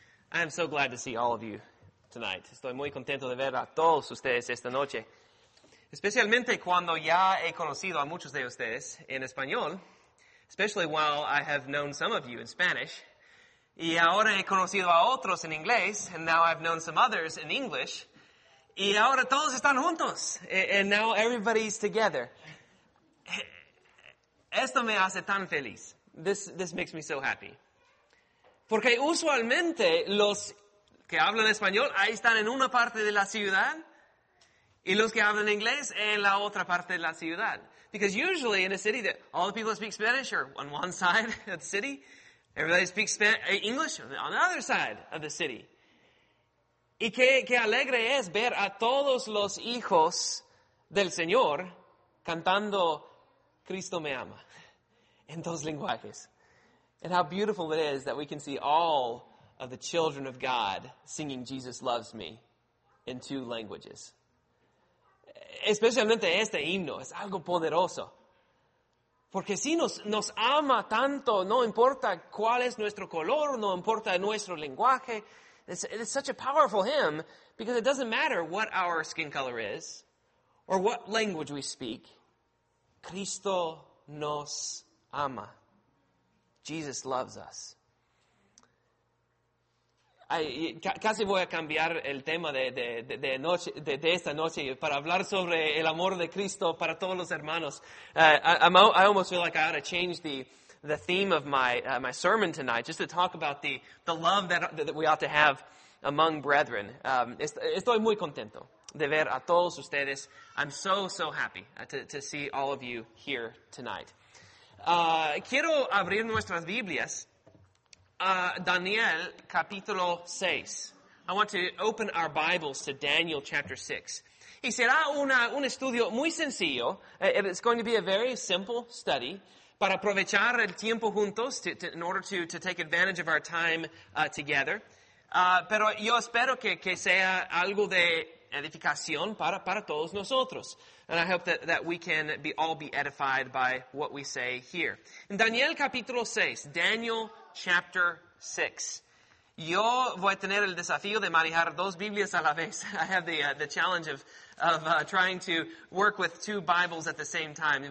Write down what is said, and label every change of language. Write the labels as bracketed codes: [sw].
[en] I am so glad to see all of you tonight. [es] Estoy muy contento de ver a todos ustedes esta noche. Especialmente cuando ya he conocido a muchos de ustedes en español. [en] Especially while I have known some of you in Spanish. [es] Y ahora he conocido a otros en inglés. [en] And now I've known some others in English. [es] Y ahora todos están juntos. [en] And now everybody's together. [es] Esto me hace tan feliz. [en] This makes me so happy. [es] Porque usualmente los que hablan español ahí están en una parte de la ciudad y los que hablan inglés en la otra parte de la ciudad. [en] Because usually in a city that all the people that speak Spanish are on one side of the city, everybody speaks English on the other side of the city. [es] Y qué alegre es ver a todos los hijos del Señor cantando Cristo me ama. En dos lenguajes. [en] And how beautiful it is that we can see all of the children of God singing Jesus loves me in two languages. [es] Especialmente este himno es algo poderoso. Porque si nos ama tanto, no importa cuál es nuestro color, no importa nuestro lenguaje. [en] It's such a powerful hymn because it doesn't matter what our skin color is or what language we speak. [es] Cristo nos ama. [en] Jesus loves us. [es] Casi voy a cambiar el tema de esta noche para hablar sobre el amor de Cristo para todos los hermanos. [en] I almost feel like I ought to change the theme of my sermon tonight just to talk about the love that we ought to have among brethren. [es] Estoy muy contento de ver a todos ustedes. [en] I'm so, so happy to see all of you here tonight. [es] Quiero abrir nuestras Biblias a Daniel capítulo 6. [en] I want to open our Bibles to Daniel chapter 6. [es] Y será un estudio muy sencillo. [en] It's going to be a very simple study [es] para aprovechar el tiempo juntos [en] in order to take advantage of our time together. [es] Pero yo espero que sea algo de edificación para todos nosotros. [en] And I hope that we can all be edified by what we say here. In Daniel capítulo 6, Daniel chapter 6. [es] Yo voy a tener el desafío de manejar dos Biblias a la vez. [en] I have the challenge of trying to work with two Bibles at the same time.